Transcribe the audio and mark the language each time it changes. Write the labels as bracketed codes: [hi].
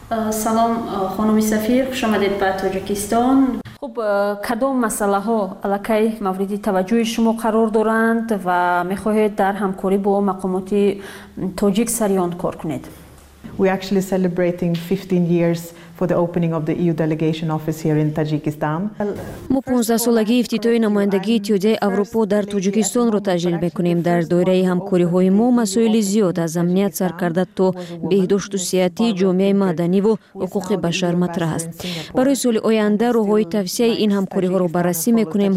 [fa] سلام خانم سفیر، خوش آمدید به تاجیکستان. خب کدام مسئله ها الکی مورد توجه شما قرار دارند و میخواهید در همکاری با مقامات تاجیک سریان کار کنید؟ [en] We actually celebrating 15 years for the opening of the EU delegation office here in Tajikistan. [tg] Мо 15 солаги ифтитои намояндагии Иттиҳодияи Аврупо дар Тоҷикистонро таҷлил мекунем. Дар доираи ҳамкориҳои мо масоили зиёд аз амният сар карда то беҳдошту сиҳатӣ, ҷомеаи маданӣ ва ҳуқуқи башар матраҳ аст. Барои соли оянда роҳҳои тавсеаи ин ҳамкориҳоро баррасӣ мекунем.